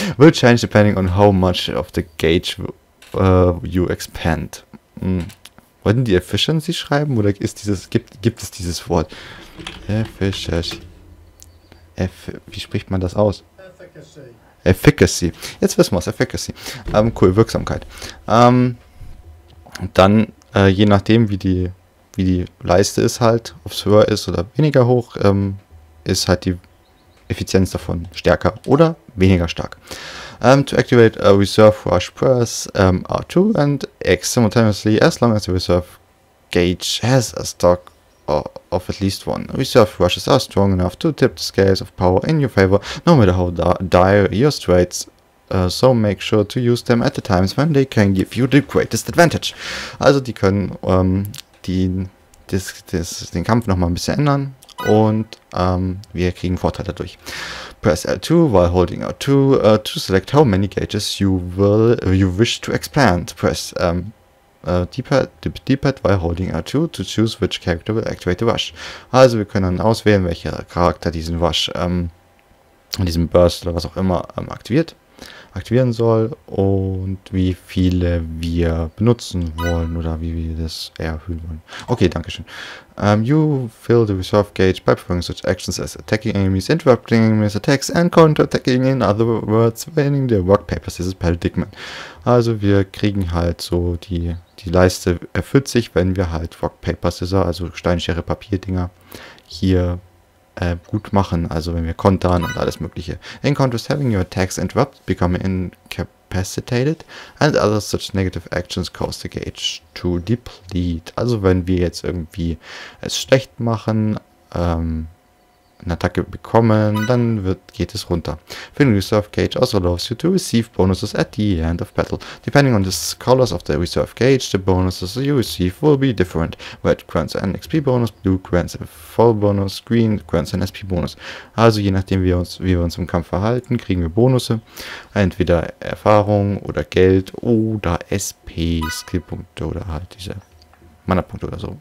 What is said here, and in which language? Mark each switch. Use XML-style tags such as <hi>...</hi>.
<en>Will change depending on how much of the gauge you expand.</en> <de>Wollten die Efficiency schreiben oder ist dieses, gibt es dieses Wort? Efficiency. Wie spricht man das aus? Efficacy. Jetzt wissen wir es, Efficacy. Cool, Wirksamkeit. Dann, je nachdem, wie die Leiste ist halt, ob es höher ist oder weniger hoch, ist halt die Effizienz davon stärker oder weniger stark.</de> <en>To activate a reserve rush, press R2 and X simultaneously as long as the reserve gauge has a stock of at least one. Reserve rushes are strong enough to tip the scales of power in your favor, no matter how dire your straits, so make sure to use them at the times when they can give you the greatest advantage.</en> <de>Also die können den Kampf nochmal ein bisschen ändern. Und wir kriegen Vorteile dadurch.</de> <en>Press L2 while holding R2 to select how many gauges you wish to expand. Press D-Pad while holding R2 to choose which character will activate the rush.</en> <de>Also wir können dann auswählen, welcher Charakter diesen Rush, diesen Burst oder was auch immer aktiviert. aktivieren soll und wie viele wir benutzen wollen oder wie wir das erhöhen wollen. Okay, danke schön.</de> <en>You fill the reserve gauge by performing such actions as attacking enemies, interrupting enemies' attacks and counterattacking, in other words, winning the rock, paper, scissors, paddle.</en> <de>Also wir kriegen halt so die Leiste erfüllt sich, wenn wir halt</de> <en>rock, paper, scissors,</en> <de>also Steinschere, Papierdinger hier gut machen, also wenn wir kontern und alles mögliche.</de> <en>In contrast, having your attacks interrupted become incapacitated and other such negative actions cause the gauge to deplete.</en> <de>Also wenn wir jetzt irgendwie es schlecht machen, eine Attacke bekommen, dann geht es runter.</de> <en>Filling the reserve gauge also allows you to receive bonuses at the end of battle. Depending on the colors of the reserve gauge, the bonuses you receive will be different. Red grants an XP bonus, blue grants a fall bonus, green grants an SP bonus.</en> <de>Also je nachdem, wie wir uns im Kampf verhalten, kriegen wir Bonusse. Entweder Erfahrung oder Geld oder SP, Skillpunkte oder halt diese Mana-Punkte oder so.</de>